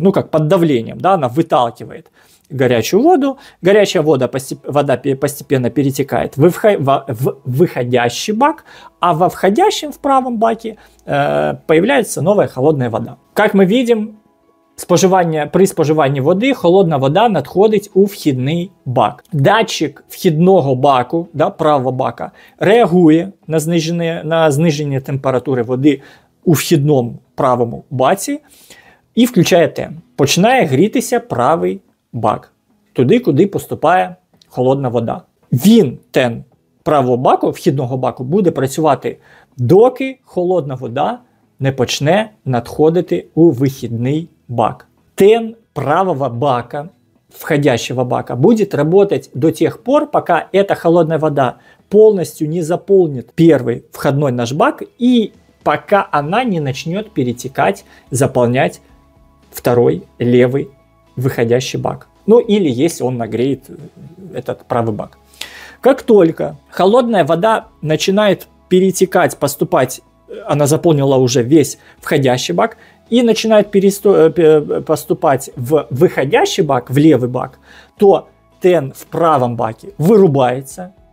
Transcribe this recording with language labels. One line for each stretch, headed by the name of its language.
Russian: Ну как под давлением, да, она выталкивает горячую воду, горячая вода, вода постепенно перетекает в выходящий бак, а во входящем в правом баке появляется новая холодная вода. Как мы видим, при споживании воды холодная вода надходит у входной бак.
Ukrainian: Датчик входного баку, да, правого бака, реагує на зниження температури води у входному правому баці і включає ТЕН. Починає грітися правий бак, туди, куди поступає холодна вода. Він, ТЕН правого баку, вхідного баку, буде працювати, доки холодна вода не почне надходити у вихідний бак. ТЕН правого бака, входящого бака, буде працювати до тих пор, поки ця холодна вода повністю не заповнить перший вхідний наш бак і поки вона не почне перетікати, заповняти другий лівий выходящий бак.
Russian: Ну или если он нагреет этот правый бак. Как только холодная вода начинает перетекать, поступать, она заполнила уже весь входящий бак, и начинает поступать в выходящий бак, в левый бак, то ТЭН в правом баке вырубается.